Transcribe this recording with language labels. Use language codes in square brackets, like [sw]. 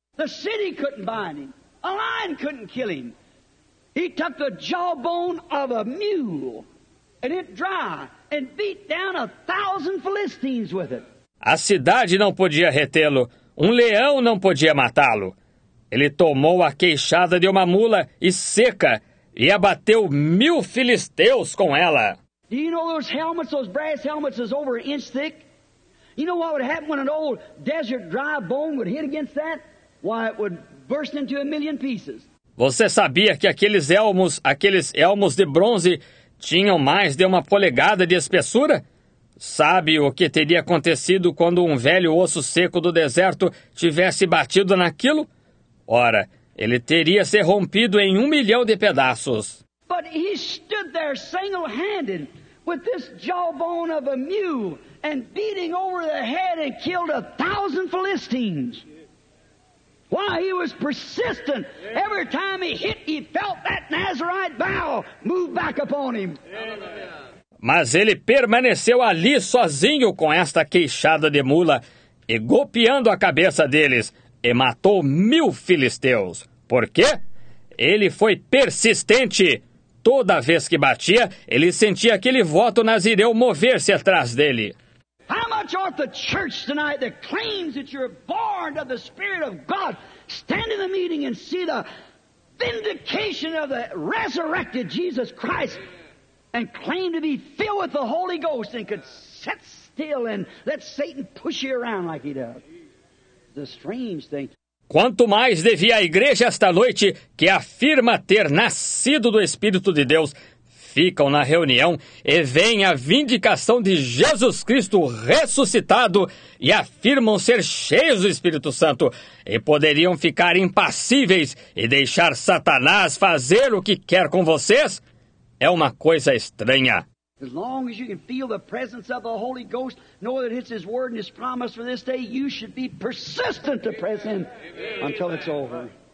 [en] The city couldn't bind him. A lion couldn't kill him. He took the jawbone of a mule and it dry and beat down 1,000 Philistines with it. [pt] A cidade não podia retê-lo. Um leão não podia matá-lo. Ele tomou a queixada de uma mula e seca e abateu 1,000 filisteus com ela. [en] Do you know those helmets, those brass helmets is over an inch thick? You know what would happen when an old desert dry bone would hit against that? Why, it would burst into a million pieces. [pt] Você sabia que aqueles elmos de bronze tinham mais de uma polegada de espessura? Sabe o que teria acontecido quando um velho osso seco do deserto tivesse batido naquilo? Ora, ele teria se rompido em 1,000,000 de pedaços. [en] But he stood there single-handed with this jawbone of a mule and beating over the head and killed 1,000 Philistines. Why, he was persistent. Every time he hit, he felt that Nazarite vow move back upon him. [pt] Mas ele permaneceu ali sozinho com esta queixada de mula e golpeando a cabeça deles e matou 1,000 filisteus. Por quê? Ele foi persistente. Toda vez que batia, ele sentia aquele voto nazireu mover-se atrás dele. [en] How much ought the church tonight that claims that you're born of the Spirit of God stand in the meeting and see the vindication of the resurrected Jesus Christ and claim to be filled with the Holy Ghost and could sit still and let Satan push you around like he does? The strange thing. [pt] Quanto mais devia a igreja esta noite, que afirma ter nascido do Espírito de Deus, ficam na reunião e veem a vindicação de Jesus Cristo ressuscitado e afirmam ser cheios do Espírito Santo e poderiam ficar impassíveis e deixar Satanás fazer o que quer com vocês? É uma coisa estranha. [en] As long as you can feel the presence of the Holy Ghost, know that it's His word and His promise for this day, you should be persistent to press in until it's over.